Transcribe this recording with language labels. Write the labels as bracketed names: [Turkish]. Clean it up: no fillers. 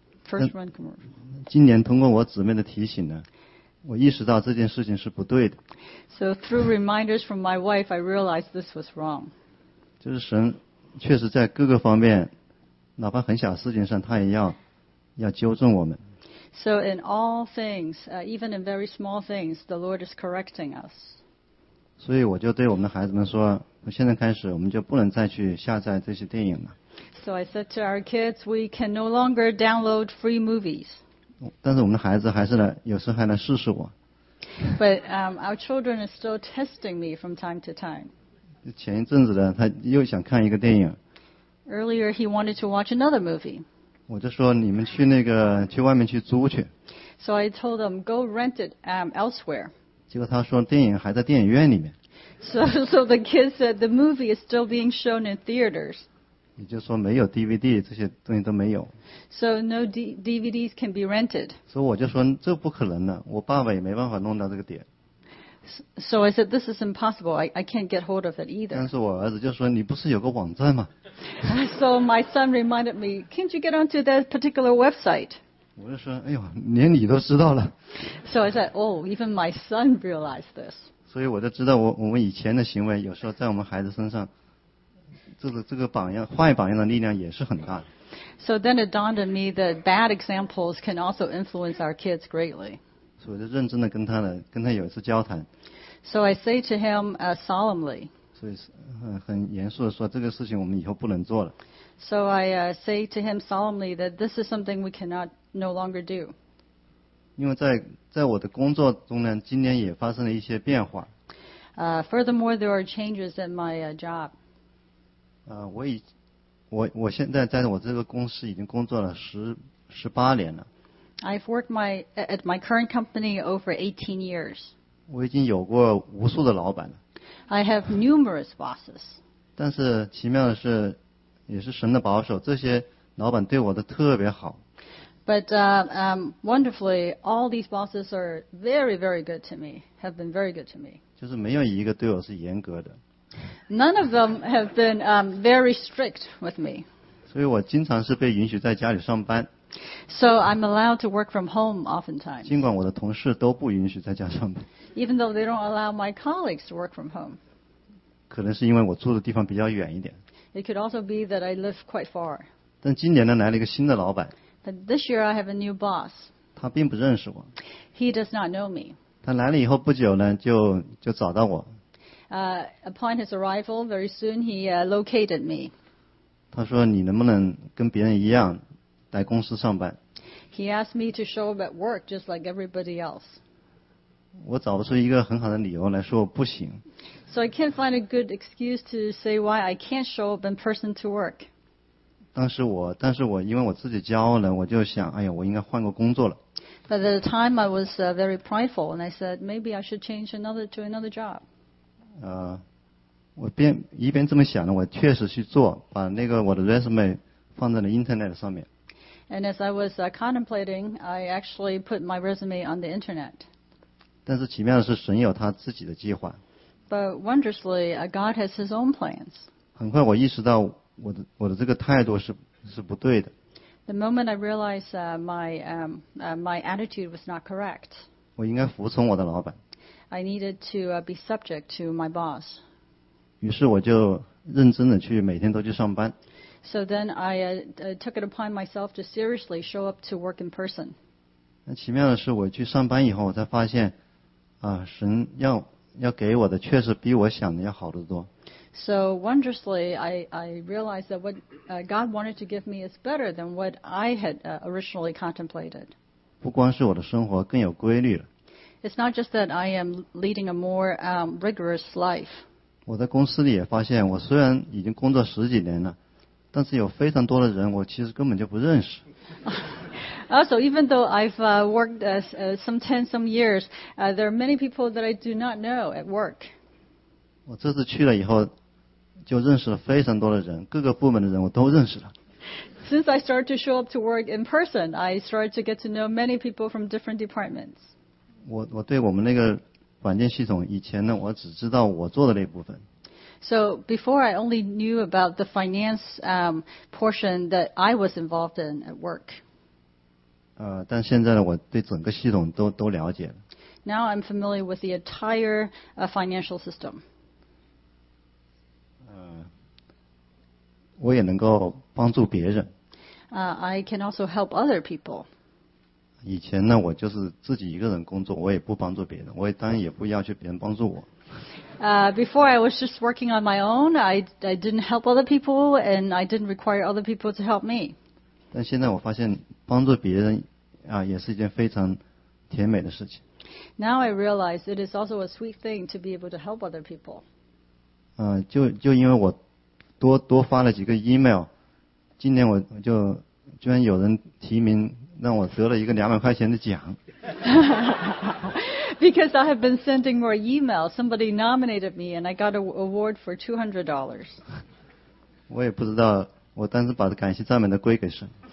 [English] First run commercial. [Chinese] 今年通过我姊妹的提醒呢，我意识到这件事情是不对的。 [English] So through reminders from my wife, I realized this was wrong. [Chinese] 就是神确实在各个方面，哪怕很小事情上，他也要纠正我们。 [English] So in all things, even in very small things, the Lord is correcting us. [Chinese] 所以我就对我们的孩子们说，从现在开始，我们就不能再去下载这些电影了。 [English] So I said to our kids, we can no longer download free movies. [Chinese] 但是我们的孩子还是来，有时候还来试试我。 [English] But our children are still testing me from time to time. [Chinese] 前一阵子呢，他又想看一个电影。 [English] Earlier, he wanted to watch another movie. [Chinese] 我就说你们去外面去租去。 [English] So I told them go rent it elsewhere. [Chinese] 结果他说电影还在电影院里面。 [English] So the kids said the movie is still being shown in theaters. [Chinese] 也就是说没有 DVD 这些东西都没有。 [English] So no DVDs can be rented. [Chinese] 所以我就说这不可能的，我爸爸也没办法弄到这个点。 [English] So I said this is impossible. I can't get hold of it either. [Chinese] 但是我儿子就说你不是有个网站吗？ [English] So my son reminded me, can't you get onto that particular website? [Chinese] 我就说，哎呦，连你都知道了。 [English] So I said, oh, even my son realized this. [Chinese] 所以我就知道我们以前的行为，有时候在我们孩子身上，这个榜样，坏榜样的力量也是很大的。 [English] So then it dawned on me that bad examples can also influence our kids greatly. [Chinese] 所以我就认真的跟他有一次交谈。 [English] So I say to him solemnly. [Chinese] 所以很严肃地说这个事情我们以后不能做了。 [English] So I say to him solemnly that this is something we cannot no longer do. [Chinese] 因为在我的工作中呢，今年也发生了一些变化。 [English] Furthermore, there are changes in my job. [Chinese] 我现在在我这个公司已经工作了十八年了。 [English] I've worked at my current company over 18 years. [Chinese] 我已经有过无数的老板了。 [English] I have numerous bosses. [Chinese] 但是奇妙的是，也是神的保守，这些老板对我的特别好。 [English] But wonderfully, all these bosses are very, very good to me. Have been very good to me. [Chinese] 就是没有一个对我是严格的。 [English] None of them have been very strict with me. [Chinese] 所以我经常是被允许在家里上班。 [English] So I'm allowed to work from home oftentimes. [Chinese] 尽管我的同事都不允许在家上班。 [English] Even though they don't allow my colleagues to work from home. [Chinese] 可能是因为我住的地方比较远一点。 [English] It could also be that I live quite far. [Chinese] 但今年呢，来了一个新的老板。 [English] But this year I have a new boss. [Chinese] 他并不认识我。 [English] He does not know me. [Chinese] 他来了以后不久呢，就找到我。 [English] Upon his arrival, very soon he located me. [Chinese] 他说你能不能跟别人一样来公司上班。 [English] He asked me to show up at work just like everybody else. [Chinese] 我找不出一个很好的理由来说我不行。 [English] So I can't find a good excuse to say why I can't show up in person to work. [Chinese] 但是我因为我自己骄傲了，我就想，哎呀，我应该换个工作了。 [English] But at the time I was very prideful and I said maybe I should change to another job. [Chinese] 我边一边这么想呢，我确实去做，把那个我的 resume 放在了 internet 上面。 [English] And as I was contemplating, I actually put my resume on the internet. [Chinese] 但是奇妙的是神有他自己的计划。 [English] But wondrously, God has his own plans. [Chinese] 很快我意识到我的这个态度是不对的。 [English] The moment I realized my attitude was not correct. [Chinese] 我应该服从我的老板。 [English] I needed to be subject to my boss. [Chinese] 于是我就认真的去每天都去上班。 [English] So then I took it upon myself to seriously show up to work in person. [Chinese] 那奇妙的是，我去上班以后，我才发现，啊，神要给我的确实比我想的要好得多。 [English] So wondrously, I realized that what God wanted to give me is better than what I had originally contemplated. [Chinese] 不光是我的生活更有规律了。 [English] It's not just that I am leading a more rigorous life. [Chinese] 我在公司里也发现，我虽然已经工作十几年了。但是有非常多的人我其实根本就不认识。 [English] Also, even though I've worked some years, there are many people that I do not know at work. [Chinese] 我这次去了以后就认识了非常多的人，各个部门的人我都认识了。 [English] Since I started to show up to work in person, I started to get to know many people from different departments. [Chinese] 我对我们那个软件系统以前呢，我只知道我做的那部分。 [English] So before I only knew about the finance portion that I was involved in at work. [Chinese] 但现在呢，我对整个系统都了解了。 [English] Now I'm familiar with the entire financial system. [Chinese] 我也能够帮助别人。 [English] I can also help other people. [Chinese] 以前呢，我就是自己一个人工作，我也不帮助别人，我也当然也不要求别人帮助我。 [English] Before I was just working on my own, I didn't help other people and I didn't require other people to help me. [Chinese] 但现在我发现帮助别人啊，也是一件非常甜美的事情。 [English] Now I realize it is also a sweet thing to be able to help other people. [Chinese] 就因为我多发了几个 email, 今年我就居然有人提名让我得了一个200块钱的奖。 [English] Because I have been sending more emails, somebody nominated me and I got an award for $200. [Chinese] 我也不知道，我当时把感谢赞美都归给神。